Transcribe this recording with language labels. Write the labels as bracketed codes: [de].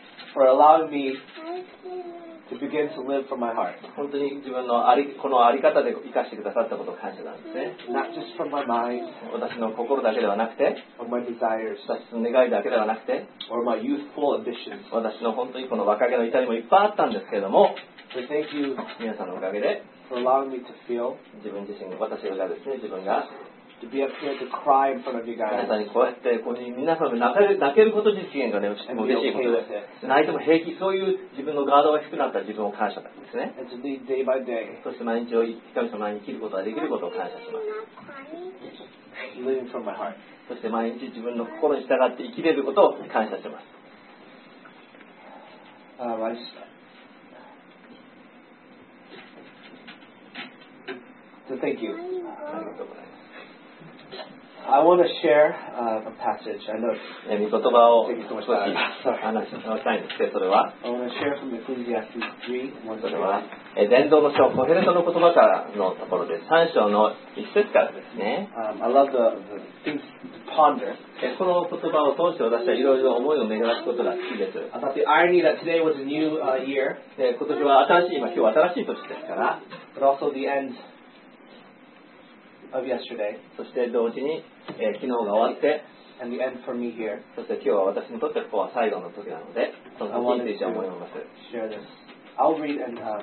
[en] For allowing me to begin to live from my heart. [ja] 本当に自分のあり方で生かしてくださったことを感謝なんですね。 [en] Not just from my mind. [ja] 私の心だけではなくて、 [en] or my desires. [ja] 私の願いだけではなくて、 [en] or my youthful ambitions. [ja] 私の本当にこの若気の至りもいっぱいあったんですけれども、 [en] so thank you. [ja] 皆さんのおかげで、 [en] for allowing me to feel. [ja] 自分自身、私がですね、自分が、 [en] to be up here to cry in front of you guys. [ja] 皆さんにこうやってこう皆さんで泣けること自身がね、嬉しいことです。 [en] Okay、 [ja] 泣いても平気、そういう自分のガードが低くなった自分を感謝なんですね。 [en] And to lead day by day. [ja] そして毎日を一人様に生きることができることを感謝します。 [en] Living from my heart. [ja] そして毎日自分の心に従って生きれることを感謝します。 [en] So thank you. [ja] ありがとうございます。 [en] I want to share a passage. I know. [ja] 言葉を少し話したいんですけど、それは。 [en] I want to share from Ecclesiastes 3:1. [ja] それは、伝道の書コヘレトの言葉からのところです。三章の一節からですね。 [en] I love the things to ponder. [ja] この言葉を通して私はいろいろ思いを巡らすことが好きです。 [en] I thought the irony that today was a new year. [ja] 今年は新しい、今日は新しい年ですから。 [en] But also the end. Of yesterday. [ja] そして同時に、昨日が終わって [en] And the end for me here. [ja] そして今日は私にとってここは最後の時なのでその時について思います。 [en] Share this. I'll read and,